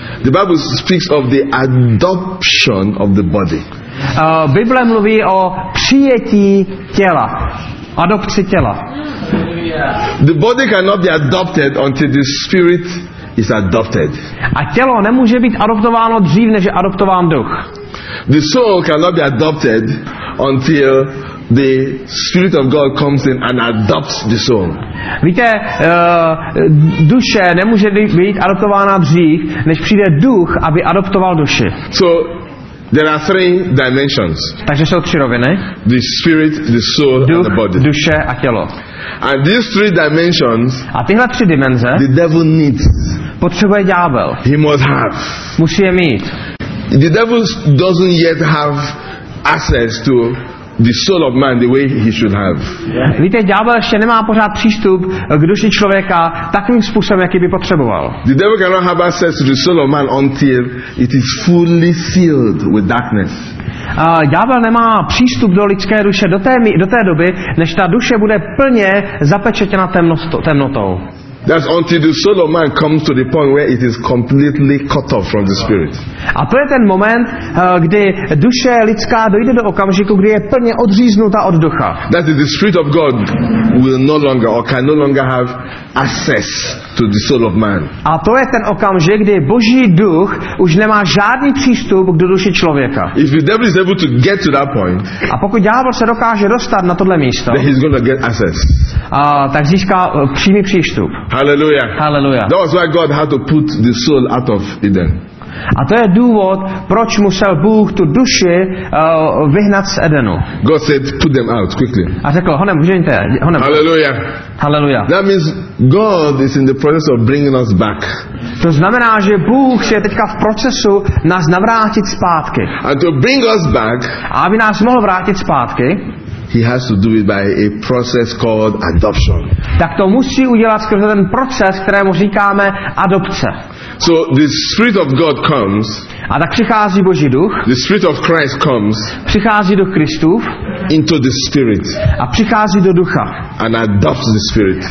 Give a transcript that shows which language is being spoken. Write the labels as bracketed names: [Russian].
[English] The Bible speaks of the adoption of the body. [Czech] Bible mluví o přijetí těla. Adopci těla. [English] The body cannot be adopted until the spirit is adopted. [Czech] A tělo nemůže být adoptováno dřív, než je adoptován duch. [English] The soul cannot be adopted until the spirit of God comes in and adopts the soul. [Czech] Víte, duše nemůže být adoptována dřív, než přijde duch, aby adoptoval duši. [English] So there are three dimensions. [Czech] Takže jsou tři roviny. [English] The spirit, the soul, [Czech] duch, [English] and the body. [Czech] Duše a tělo. [English] And these three dimensions. [Czech] A tyhle tři dimenze. [English] The devil needs. [Czech] Potřebuje ďábel. [English] He must have. [Czech] Musí je mít. [English] The devil doesn't yet have access to the soul of man the way he should have. [Czech] Víte, ďábel ještě nemá pořád přístup k duši člověka takovým způsobem, jaký by potřeboval. [English] The devil cannot have access to the soul of man until it is fully filled with darkness. [Czech] Ďábel nemá přístup do lidské duše do té doby, než ta duše bude plně zapečetěna temnotou. [English] That's until the soul of man comes to the point where it is completely cut off from the spirit. [Czech] A to je ten moment, kdy duše lidská dojde do okamžiku, kdy je plně odříznuta od ducha. [English] That is the spirit of God will no longer or can no longer have access to the soul of man. [Czech] A to je ten okamžik, kdy Boží duch už nemá žádný přístup k duši člověka. [English] If the devil is able to get to that point, [Czech] a pokud ďábel se dokáže dostat na tohle místo, [English] then he's going to get access. [Czech] Tak získá přímý přístup. Hallelujah. Hallelujah. [English] That was why God had to put the soul out of Eden. [Czech] A to je důvod, proč musel Bůh tu duši vyhnat z Edenu. [English] God said, put them out quickly. [Czech] A řekl, honem, vyhněte, honem. Hallelujah. Hallelujah. [English] That means God is in the process of bringing us back. [Czech] To znamená, že Bůh je teďka v procesu nás navrátit zpátky. [English] And to bring us back. [Czech] A aby nás mohl vrátit zpátky. [English] he has to do it by a process called adoption. [Czech] Tak to musí udělat skrze ten proces, kterému říkáme adopce. [English] So the Spirit of God comes. [Czech] A tak přichází Boží duch. [English] The Spirit of Christ comes. [Czech] Přichází do Kristův. [English] Into the Spirit. [Czech] A přichází do ducha. [English] And adopts the Spirit.